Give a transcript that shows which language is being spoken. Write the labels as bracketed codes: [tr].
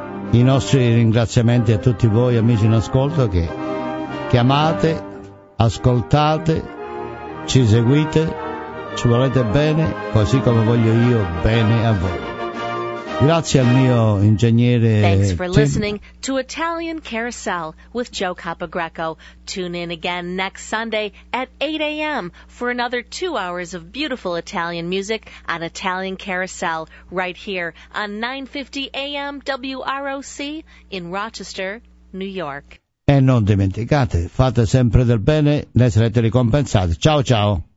[it] I nostri ringraziamenti a tutti voi amici in ascolto che chiamate, ascoltate, ci seguite, ci volete bene, così come voglio io bene a voi. Grazie al mio ingegnere. [en] Thanks for listening to Italian Carousel with Joe Capogreco. Tune in again next Sunday at 8 a.m. for another 2 hours of beautiful Italian music on Italian Carousel right here on 950 a.m. WROC in Rochester, New York. [it] E non dimenticate, fate sempre del bene, ne sarete ricompensati. Ciao, ciao.